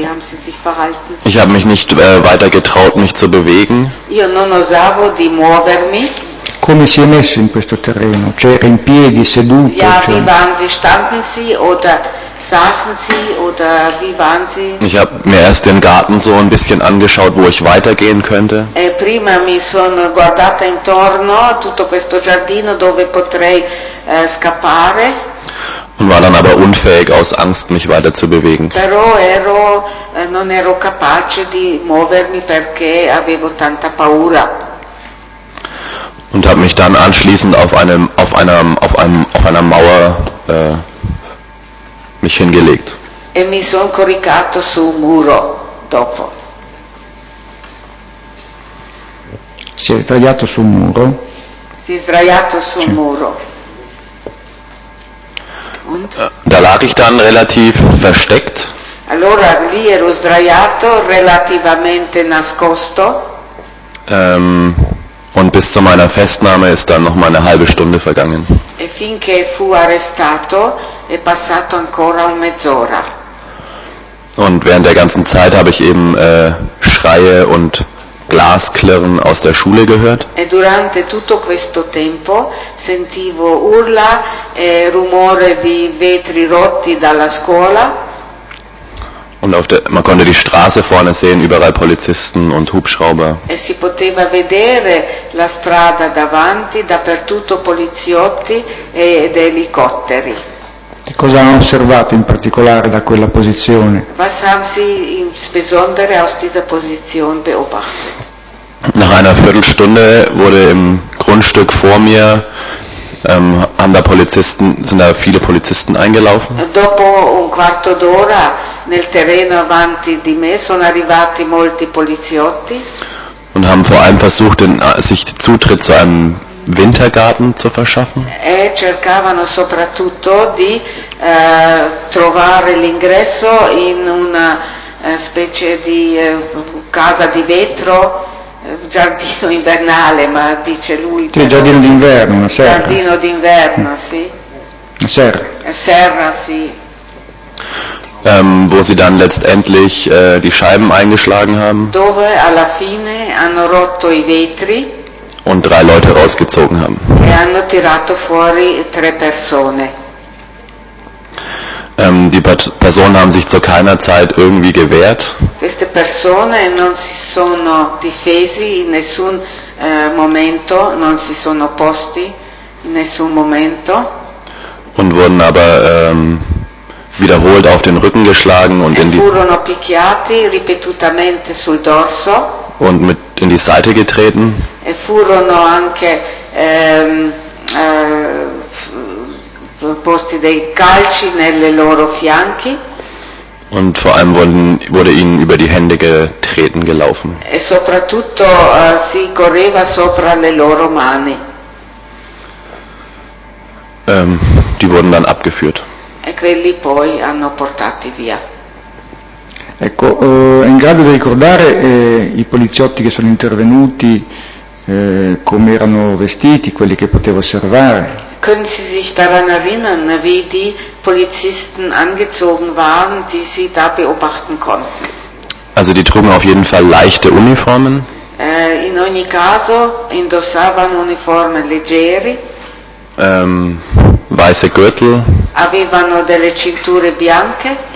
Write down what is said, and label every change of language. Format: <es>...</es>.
<de>Wie haben Sie sich verhalten? Ich habe mich nicht weiter getraut, mich zu bewegen.</de> <it>Io non osavo di muovermi. Come si è messo in questo terreno? Cioè in piedi, seduto?</it> <de>Ja,</de> <it>cioè...</it> <de>wie waren Sie? Standen Sie oder saßen Sie oder wie waren Sie? Ich habe mir erst den Garten so ein bisschen angeschaut, wo ich weitergehen könnte.</de> <it>E prima mi sono guardata intorno a tutto questo giardino dove potrei scappare.</it> <de>Und war dann aber unfähig aus Angst, mich weiter zu bewegen.</de> <it>Però ero, non ero capace di muovermi perché avevo tanta paura.</it> <de>Und habe mich dann anschließend auf einer Mauer mich hingelegt.</de> <it>E mi sono coricato su un muro dopo. Si è sdraiato su un muro. Si è sdraiato su un muro.</it> <de>Da lag ich dann relativ versteckt.</de> <it>Allora lì ero sdraiato, relativamente nascosto.</it> <de>Und bis zu meiner Festnahme ist dann noch mal eine halbe Stunde vergangen.</de> <it>E finché fu arrestato è passato ancora mezz'ora.</it> <de>Und während der ganzen Zeit habe ich eben Schreie und Glasklirren aus der Schule gehört.</de> <it>E durante tutto questo tempo sentivo urla e rumore di vetri rotti dalla scuola.</it> <de>Und auf der, man konnte die Straße vorne sehen, überall Polizisten und Hubschrauber.</de> <it>E si poteva vedere la strada davanti, dappertutto poliziotti ed elicotteri. E cosa hanno osservato in particolare da quella posizione?</it> <de>Was haben Sie insbesondere aus dieser Position beobachtet? Nach einer Viertelstunde wurde im Grundstück vor mir sind da viele Polizisten eingelaufen.</de> <it>Dopo un quarto d'ora nel terreno avanti di me sono arrivati molti poliziotti.</it> <de>Und haben vor allem versucht, sich Zutritt zu einem Wintergarten zu verschaffen.</de> <it>E cercavano soprattutto di trovare l'ingresso in una specie di casa di vetro, giardino invernale, ma dice lui. Sì, giardino d'inverno, una serra. Giardino d'inverno, sì. Una serra. Serra, sì.</it> <de>Wo sie dann letztendlich die Scheiben eingeschlagen haben.</de> <it>Dove alla fine hanno rotto i vetri.</it> <de>Und drei Leute rausgezogen haben.</de> <it>E hanno tirato fuori tre persone.</it> <de>Die Personen haben sich zu keiner Zeit irgendwie gewehrt.</de> <it>Queste persone non si sono difesi in nessun momento, non si sono posti in nessun momento.</it> <de>Und wurden aber wiederholt auf den Rücken geschlagen und in die.</de> <it>Furono picchiati ripetutamente sul dorso.</it> <de>Und mit in die Seite getreten.</de> <it>E furono anche posti dei calci nelle loro fianchi.</it> <de>Und vor allem wurde ihnen über die Hände getreten gelaufen.</de> <it>E soprattutto si correva sopra le loro mani.</it> <de>Die wurden dann abgeführt.</de> <it>E quelli poi hanno portati via. Ecco, è in grado di ricordare i poliziotti che sono intervenuti, come erano vestiti, quelli che potevo osservare?</it> <de>Können Sie sich daran erinnern, wie die Polizisten angezogen waren, die Sie da beobachten konnten? Also die trugen auf jeden Fall leichte Uniformen.</de> <it>In ogni caso indossavano uniformi leggeri.</it> <de>Weiße Gürtel.</de> <it>Avevano delle cinture bianche.</it>